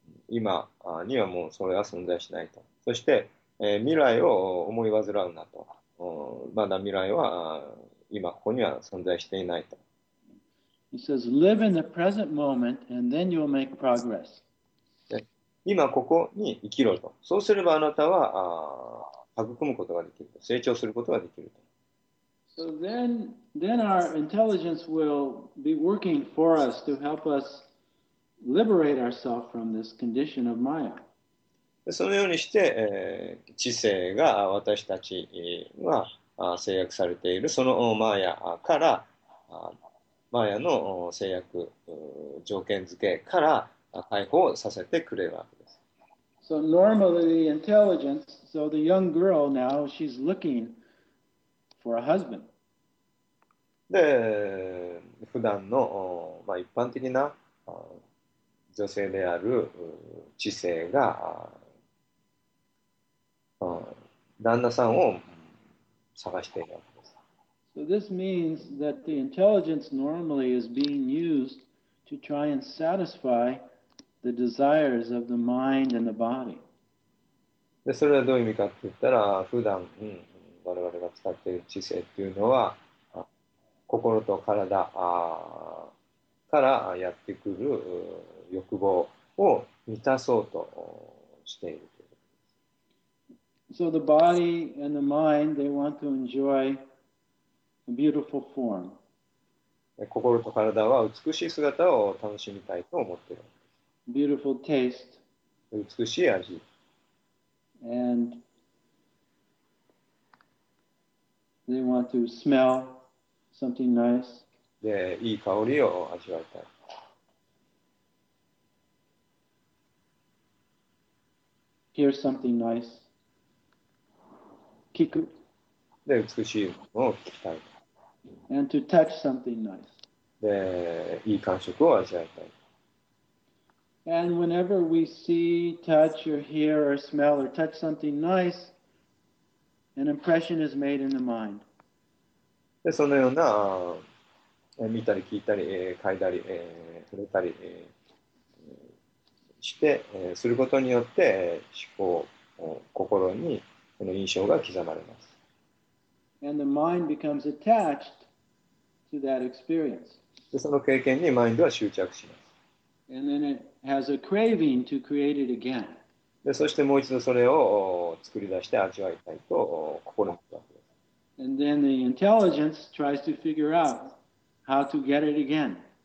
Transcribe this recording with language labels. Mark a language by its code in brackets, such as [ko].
[ja] 今にはもうそれは存在しないと。そして、未来を思い煩うなと。まだ未来は今ここには存在していないと。 [en] He says, live in the present moment and then you'll make progress. [ja] 今ここに生きろと。そうすればあなたは育むことができると。成長することができると。 [en] So then, then our intelligence will be working for us to help us liberate ourselves from this condition of Maya. [ja] そのようにして、知性が私たちが制約されているそのマヤから、マヤの制約条件付けから解放させてくれるわけです。 [en] So normally the intelligence, so the young girl now, she's looking for a husband. [ja] で、普段の、まあ、一般的な女性である知性が旦那さんを探しているわけです。 [en] So this means that the intelligence normally is being used to try and satisfy the desires of the mind and the body. [ja] で、それはどういう意味かって言ったら、普段、我々が使っている知性っていうのは、心と体からやってくる欲望を満たそうとしている。 [en] So the body and the mind, they want to enjoy a beautiful form. [ja] 心と体は美しい姿を楽しみたいと思っている。 [en] Beautiful taste. [ja] 美しい味。 [en] And they want to smell something nice. [ja] で、いい香りを味わいたい。 [en] Hear something nice. [ja] 聞く。で、美しいものを聞きたい。 [en] And to touch something nice. [ja] で、いい感触を味わいたい。 [en] And whenever we see, touch, or hear, or smell, or touch something nice, an impression is made in the mind. [ja] で、そのような、見たり聞いたり、嗅いだり、触れたり、して、することによって、思考、心に、この印象が刻まれます。 [en] And the mind becomes attached to that experience. [ja] で、その経験にマインドは執着します。 [en] And then it has a craving to create it again. [ja] で、そしてもう一度それを作り出して味わいたいと心に思います。 [en] And then the intelligence tries to figure out how to get it again.